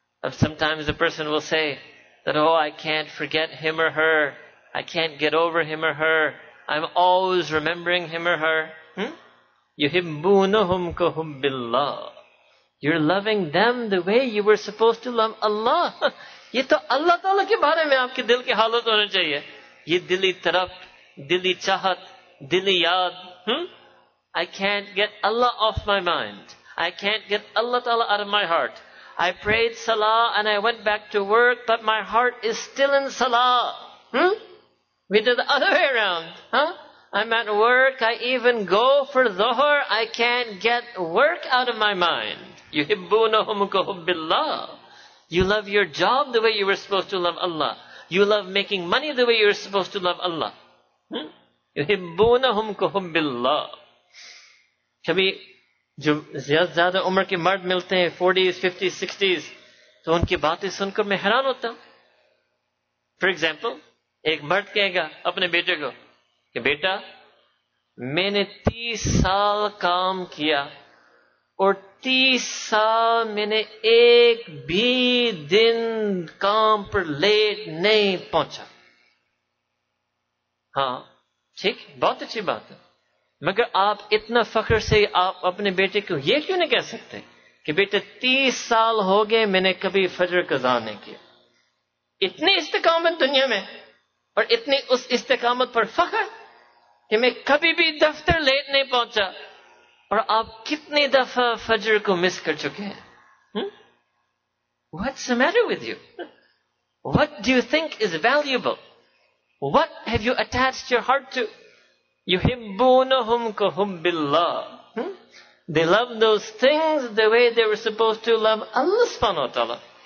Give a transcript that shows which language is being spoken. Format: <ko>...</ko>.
<en>Sometimes a person will say that, oh, I can't forget him or her. I can't get over him or her. I'm always remembering him or her.</en> <ar>يُحِبُّونَهُمْ كَحُبِّ اللَّهِ.</ar> <en>You're loving them the way you were supposed to love Allah.</en> <ur>یہ تو اللہ تعالیٰ کے بارے میں آپ کے دل کی حالت ہونا چاہیے. یہ دلی طرف, دلی چاہت, دلی یاد.</ur> <en>I can't get Allah off my mind. I can't get Allah Ta'ala out of my heart. I prayed Salah and I went back to work, but my heart is still in Salah. We did the other way around. I'm at work, I even go for Dhuhr, I can't get work out of my mind.</en> <ar>يُحِبُّونَهُمْ كَحُبِّ اللَّهِ.</ar> <en>You love your job the way you were supposed to love Allah. You love making money the way you were supposed to love Allah.</en> <ar>يُحِبُّونَهُمْ كَحُبِّ اللَّهِ.</ar> <ur>کبھی جو زیادہ عمر کے مرد ملتے ہیں, 40s, 50s, 60s, تو ان کی باتیں سن کر میں حیران ہوتا ہوں.</ur> <en>For example,</en> <ur>ایک مرد کہے گا اپنے بیٹے کو کہ بیٹا, میں نے 30 سال کام کیا اور 30 سال میں نے ایک بھی دن کام پر لیٹ نہیں پہنچا. ہاں ٹھیک, بہت اچھی بات ہے, مگر آپ اتنا فخر سے آپ اپنے بیٹے کو یہ کیوں نہیں کہہ سکتے کہ بیٹا 30 سال ہو گئے میں نے کبھی فجر قضا نہیں کیا. اتنی استقامت دنیا میں اور اتنی اس استقامت پر فخر کہ میں کبھی بھی دفتر لیٹ نہیں پہنچا, اور آپ کتنی دفعہ فجر کو مس کر چکے ہیں.</ur> <en>What's the matter with you? What do you think is valuable? What have you attached your heart to?</en> <ar>يُحِبُّونَهُمْ كَحُبِّ اللَّهِ.</ar> <en>They love those things the way they were supposed to love Allah subhanahu wa ta'ala.</en>